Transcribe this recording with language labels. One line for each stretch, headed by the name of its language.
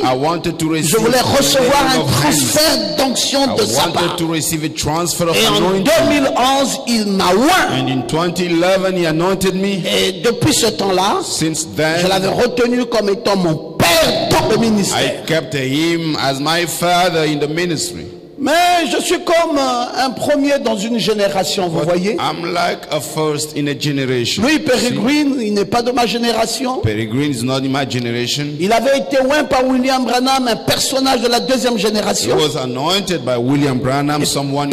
English: I wanted to receive.
French: Je voulais recevoir un transfert d'onction de sa part.
English: I wanted to receive a transfer of anointing.
French: Et en 2011, il m'a oint.
English: And in 2011, he anointed me.
French: Et depuis ce temps-là,
English: since then,
French: je l'avais retenu comme étant mon père dans le ministère.
English: I kept him as my father in the ministry.
French: Mais je suis comme un premier dans une génération, vous voyez.
English: I'm like a first in a generation.
French: Louis Peregrine, il n'est pas de ma génération.
English: Peregrine is not in my generation.
French: Il avait été oint par William Branham, un personnage de la deuxième génération.
English: He was anointed by William Branham, someone